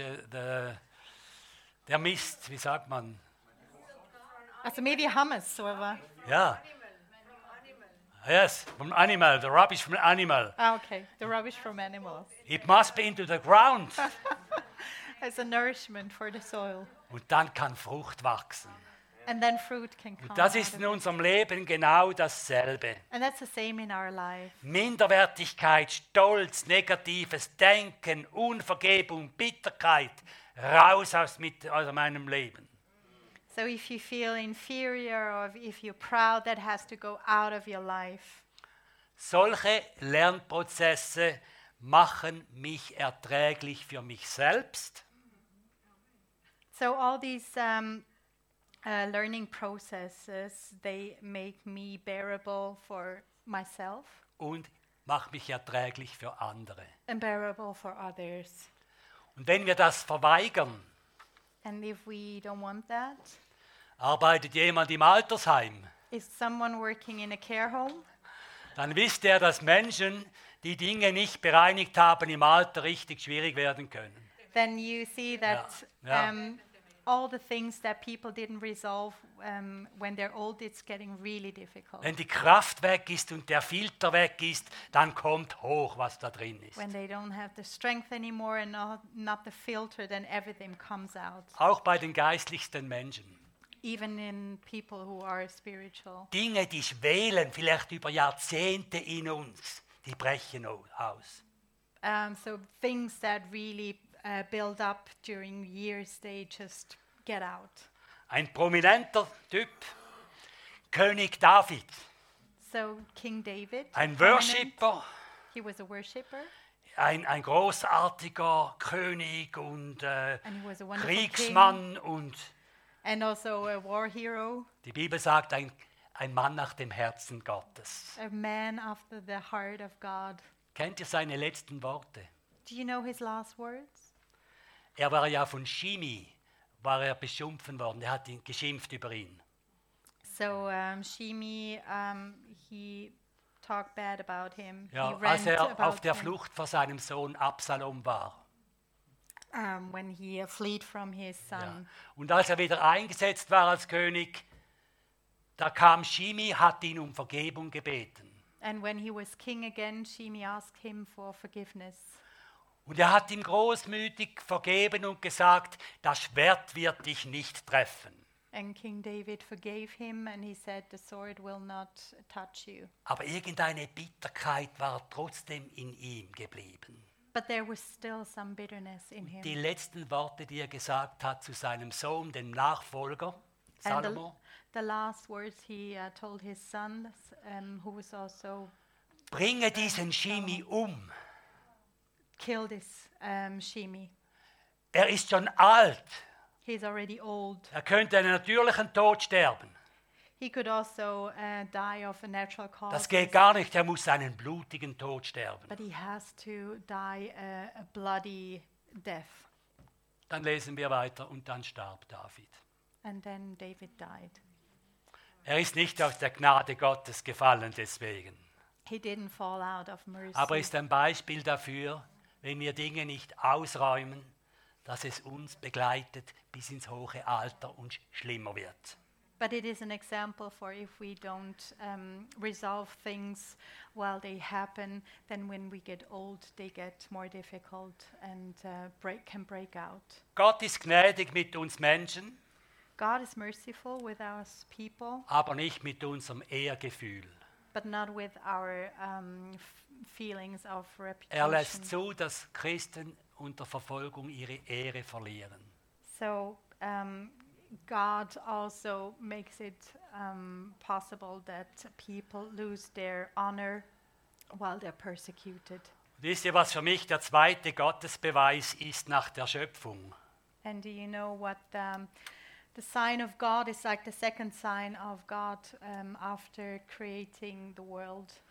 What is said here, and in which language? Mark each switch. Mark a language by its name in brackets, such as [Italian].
[German] Der Mist, wie sagt man? [English] Also maybe hummus or whatever. Yeah. Yes, from animal, the rubbish from animal. Ah, okay, the rubbish from animals. It must be into the ground. As a nourishment for the soil. [German] Und dann kann Frucht wachsen. [English] And then fruit can come. [German] Und das ist in unserem Leben genau dasselbe. [English] And that's the same in our life. [German] Minderwertigkeit, Stolz, negatives Denken, Unvergebung, Bitterkeit, raus aus meinem Leben. [English] So if you feel inferior or if you're proud, that has to go out of your life. [German] Solche Lernprozesse machen mich erträglich für mich selbst. [English] So all these learning processes, they make me bearable for myself. [German] Und mach mich erträglich für andere. [English] And bearable for others. [German] Und wenn wir das verweigern, [English] and if we don't want that, [German] arbeitet jemand im Altersheim? [English] Is someone working in a care home? [German] Dann wisst ihr, dass Menschen, die Dinge nicht bereinigt haben, im Alter richtig schwierig werden können. [English] Then you see that all the things that people didn't resolve when they're old, it's getting really difficult. [German] Wenn die Kraft weg ist und der Filter weg ist, dann kommt hoch, was da drin ist. [English] When they don't have the strength anymore and not the filter, then everything comes out. [German] Auch bei den geistlichsten Menschen. [English] Even in people who are spiritual. [German] Dinge, die schwelen, vielleicht über Jahrzehnte in uns, die brechen aus. [English] So things that really build up during years, they just get out. [German] Ein prominenter Typ, König David. [English] So King David. [German] Ein Worshipper. [English] He was a worshipper. [German] Ein großartiger König und Kriegsmann und [English] and also a war hero. [German] Die Bibel sagt, ein Mann nach dem Herzen Gottes. [English] A man after the heart of God. [German] Kennt ihr seine letzten Worte? [English] Do you know his last words? [German] Er war ja von Shimi, war er beschimpft worden. Er hat ihn geschimpft über ihn. [English] So Shimi, he talked bad about him. [German] Ja, [English] he [German] als er auf der Flucht [English] him. [German] Vor seinem Sohn Absalom war. [English] When he fled from his son. [German] Ja. Und als er wieder eingesetzt war als König, da kam Shimi, hat ihn um Vergebung gebeten. [English] And when he was king again, Shimi asked him for forgiveness. [German] Und er hat ihm großmütig vergeben und gesagt, das Schwert wird dich nicht treffen. [English] And King David forgave him and he said, the sword will not touch you. [German] Aber irgendeine Bitterkeit war trotzdem in ihm geblieben. [English] But there was still some bitterness in him. [German] Die letzten Worte, die er gesagt hat zu seinem Sohn, dem Nachfolger, Salomo. [English] The last words he told his son, who was also... [German] Bringe diesen Shimi um. [English] Kill this Shimi. [German] Er ist schon alt. [English] He's already old. [German] Er könnte einen natürlichen Tod sterben. [English] He could also die of a natural cause. [German] Das geht gar nicht, er muss einen blutigen Tod sterben. [English] But he has to die a bloody death. [German] Dann lesen wir weiter und dann starb David. [English] And then David died. [German] Er ist nicht aus der Gnade Gottes gefallen deswegen. [English] He didn't fall out of mercy. [German] Aber ist ein Beispiel dafür, wenn wir Dinge nicht ausräumen, dass es uns begleitet bis ins hohe Alter und schlimmer wird. [English] But it is an example for if we don't resolve things while they happen, then when we get old, they get more difficult and can break out. [German] Gott ist gnädig mit uns Menschen. [English] God is merciful with us people. [German] Aber nicht mit unserem Ehrgefühl. [English] But not with our feelings of reputation. [German] Er lässt zu, dass Christen unter Verfolgung ihre Ehre verlieren. [English] So God also makes it possible that people lose their honor while they're persecuted. [German] Wisst ihr, was für mich der zweite Gottesbeweis ist nach der Schöpfung? [English] And do you know what the sign of God is, like the second sign of God after creating the world?